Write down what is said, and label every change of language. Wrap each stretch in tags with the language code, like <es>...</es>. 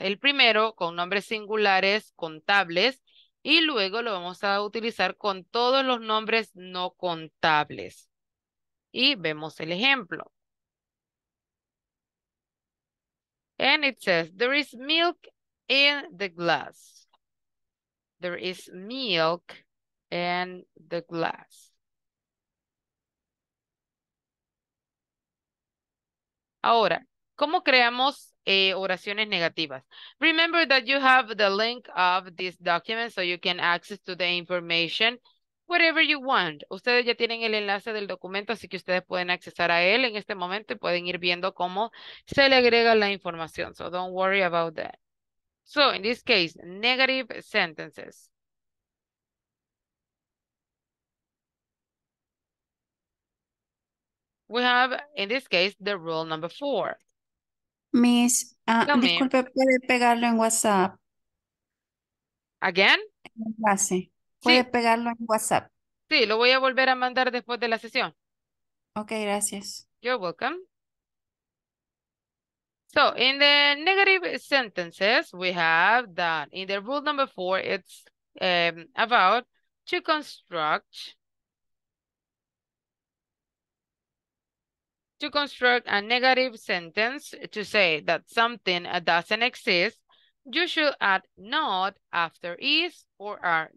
<es>El primero, con nombres singulares contables, y luego lo vamos a utilizar con todos los nombres no contables. Y vemos el ejemplo.</es> <en>And it says, there is milk in the glass. There is milk in the glass.</en> <es>Ahora, ¿cómo creamos oraciones negativas?</es> <en>Remember that you have the link of this document so you can access to the information wherever you want.</en> <es>Ustedes ya tienen el enlace del documento, así que ustedes pueden accesar a él en este momento y pueden ir viendo cómo se le agrega la información.</es> <en>So don't worry about that. So in this case, negative sentences. We have, in this case, the rule number 4.</en> <es>Miss, disculpe, ¿puede pegarlo en WhatsApp?</es> <en>Again?</en> <es>En clase. ¿Puede pegarlo en WhatsApp? Sí, lo voy a volver a mandar después de la sesión. Okay, gracias.</es> <en>You're welcome. So, in the negative sentences, we have that in the rule number 4, it's about to construct to construct a negative sentence to say that something doesn't exist, you should add not after is or are.</en>